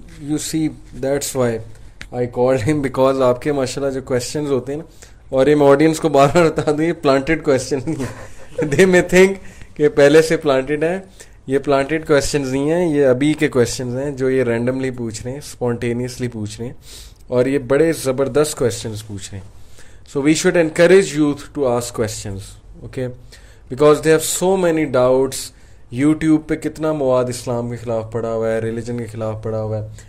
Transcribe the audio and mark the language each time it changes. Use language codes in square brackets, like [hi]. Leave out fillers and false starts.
[ur] You C that's why آئی کال ہم, because آپ کے ماشاء اللہ جو کوشچنز ہوتے ہیں نا, اور ہم آڈینس کو بار بار بتا دیں یہ پلانٹیڈ کوشچن نہیں ہے, دے مے تھنک کہ پہلے سے پلانٹیڈ ہے, یہ پلانٹیڈ کوشچنز نہیں ہیں, یہ ابھی کے کوشچنز ہیں جو یہ رینڈملی پوچھ رہے ہیں, اسپونٹینیسلی پوچھ رہے ہیں, اور یہ بڑے زبردست کوشچنز پوچھ رہے ہیں. [en] So we should encourage youth to ask questions, okay, because they have so many doubts. [ur] YouTube پہ کتنا مواد اسلام کے خلاف پڑا ہوا ہے, ریلیجن کے خلاف پڑا ہوا ہے.